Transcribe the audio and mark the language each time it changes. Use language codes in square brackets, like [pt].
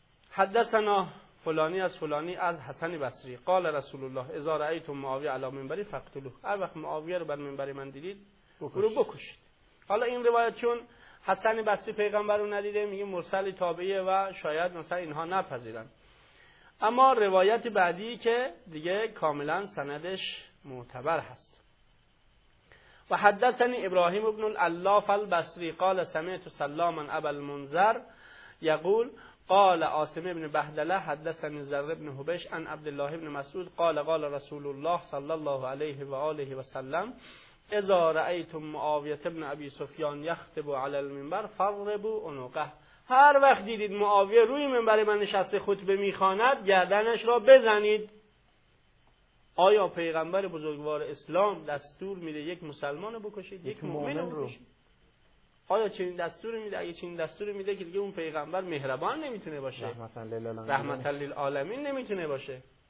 [ar] حدثنا فلانی از فلانی از حسن بصری قال رسول الله اذا رأیتم معاویه علی منبری فقتلوه، [fa] هر وقت معاویه رو بر منبر من دیدید برو بکشید. حالا این روایت چون حسن بصری پیغمبر رو ندیده میگه مرسل تابعیه و شاید مثلا اینها نپذیرن، اما روایت بعدی که دیگه کاملا سندش معتبر هست. [ar] و حدثنی ابراهیم ابن الالاف البصری قال سمعت سلاما ابا المنذر یقول قال عاصم ابن بهدله حدثني زر ابن هبش عن عبد الله ابن مسعود قال قال رسول الله صلى الله عليه واله وسلم اذا رايتم معاويه ابن ابي سفيان يخطب على المنبر فاضربوا عنقه [fa] هر وقت دیدید معاویه روی منبر من نشسته خطبه میخواند گردنش را بزنید. آیا پیغمبر بزرگوار اسلام دستور میده یک مسلمان رو بکشید؟ یک مؤمن رو بکشید؟ آیا چنین دستور میده؟ اگه چنین دستور میده که دیگه اون پیغمبر مهربان نمیتونه باشه، رحمت للعالمین نمیتونه باشه.